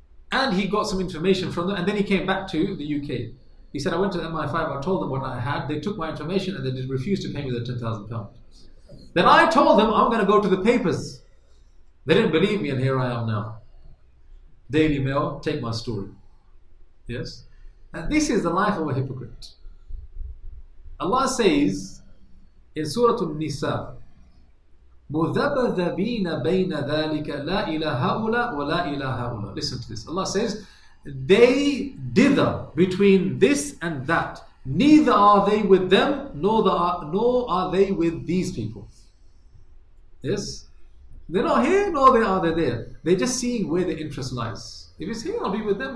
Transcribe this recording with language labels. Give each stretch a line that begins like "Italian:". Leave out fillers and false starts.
English: And he got some information from them, and then he came back to the UK. He said, I went to MI5, I told them what I had. They took my information and they did refuse to pay me the £10,000. Then I told them, I'm going to go to the papers. They didn't believe me, and here I am now. Daily Mail, take my story. Yes? And this is the life of a hypocrite. Allah says in Surah An-Nisa,
Arabic: مُذَبَذَبِينَ بَيْنَ ذَلِكَ لَا إِلَى هَؤُلَى وَلَا إِلَى هَؤُلَى.
English: Listen to this. Allah says, they dither between this and that. Neither are they with them, nor are they with these people. Yes? They're not here, nor they are they there. They're just seeing where the interest lies. If it's here, I'll be with them.